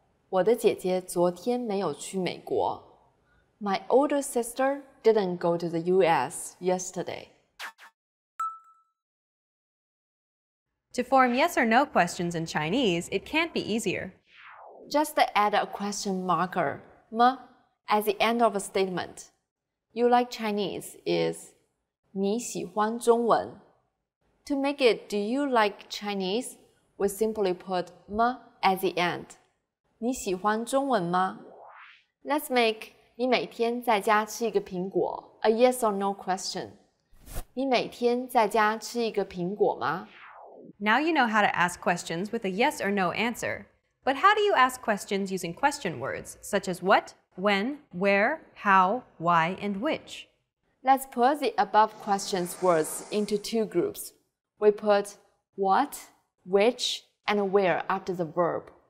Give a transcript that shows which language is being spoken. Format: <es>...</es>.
<zh>我的姐姐昨天没有去美国。</zh> <en>My older sister didn't go to the US yesterday. To form yes or no questions in Chinese, it can't be easier. Just add a question marker, ma, at the end of a statement. You like Chinese is 你喜欢中文. To make it do you like Chinese, we simply put ma at the end. 你喜欢中文吗? Let's make</en> <zh>你每天在家吃一个苹果 A yes or no question. 你每天在家吃一个苹果吗</zh> <en>Now you know how to ask questions with a yes or no answer. But how do you ask questions using question words, such as what, when, where, how, why, and which? Let's put the above questions words into two groups. We put what, which, and where after the verb.</en>